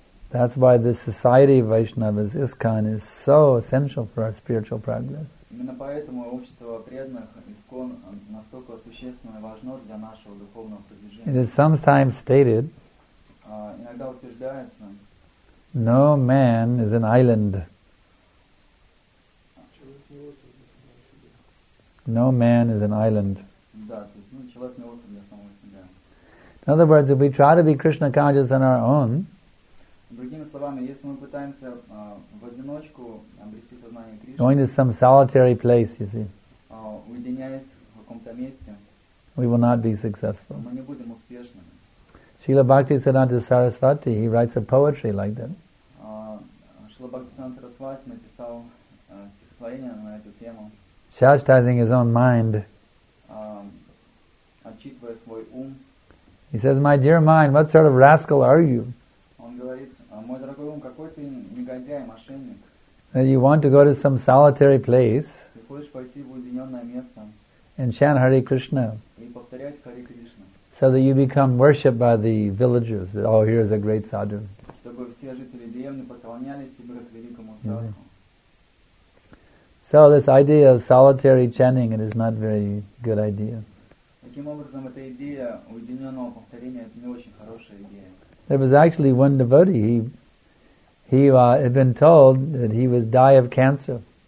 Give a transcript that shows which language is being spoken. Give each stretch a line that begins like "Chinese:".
English: That's why the society of Vaishnavas, ISKCON, is so essential for our spiritual progress.
Russian: Именно поэтому общество преданных ИСККОН настолько существенно и важно для нашего духовного продвижения.
English: It is sometimes stated,
Russian: иногда утверждается,
English: no man is an island. No man is an island.
Russian: Да, то есть, ну, человек не остров для самого себя.
English: In other words, if we try to be Krishna conscious on our own,
Russian: другими словами, если мы пытаемся в одиночку обрести сознание Кришны,
English: going to some solitary place, you see,
Russian: уединяясь в каком-то месте,
English: we will not be successful.
Russian: Мы не будем успешными.
English: Srila Bhaktisiddhanta Sarasvati, he writes a poetry like that.
Russian: Srila Bhaktisiddhanta Sarasvati написал стихотворение на эту тему.
English: Chastising his own mind.
Russian: Отчитывая свой ум.
English: He says, "My dear mind, what sort of rascal are you?
Russian: Он говорит, мой дорогой ум, какой ты негодяй, мошенник.
English: That you want to go to some solitary place?
Russian: Ты хочешь пойти в уединенное место?
English: And chant Hare Krishna.
Russian: И повторять Hare Krishna.
English: So that you become worshipped by the villagers. That, oh, here is a great sadhu.
Russian: Чтобы все жители деревни поклонялись тебе как великому садху.
English: So this idea of solitary chanting, it is not a very good idea. There was actually one devotee, he had been told that he would die of cancer.